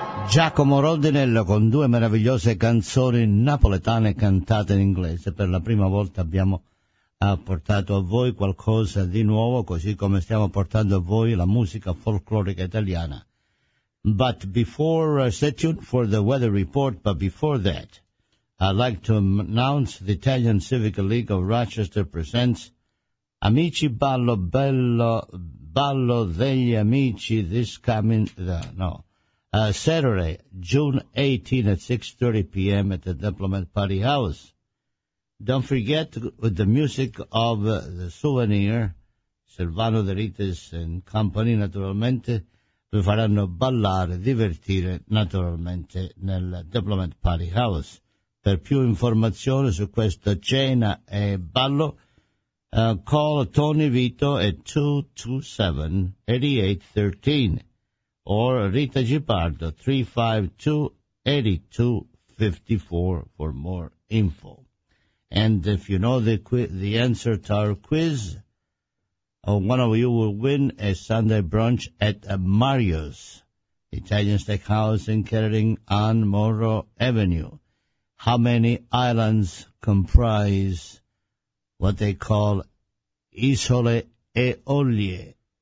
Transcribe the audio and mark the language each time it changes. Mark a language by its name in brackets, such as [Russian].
[Italian] Giacomo Rodinello con due meravigliose canzoni napoletane cantate in inglese. Per la prima volta abbiamo portato a voi qualcosa di nuovo, così come stiamo portando a voi la musica folclorica italiana. [English] But before, stay tuned for the weather report, but before that, I'd like to announce the Italian Civic League of Rochester presents Amici Ballo Bello, Ballo degli Amici this coming, Saturday, June 18 at 6:30 p.m. at the Diplomat Party House. Don't forget, with the music of the Souvenir, Silvano De Rites and company, [Italian] naturalmente, vi faranno ballare, divertire, naturalmente, nel [English] Diplomat Party House. [Italian] Per più informazioni su questa cena e ballo, [English] call Tony Vito at 227-8813 or Rita Gipardo 352-8254 for more info. And if you know the answer to our quiz, one of you will win a Sunday brunch at Mario's Italian Steakhouse in Kettering on Morrow Avenue. How many islands comprise what they call Isole Eolie?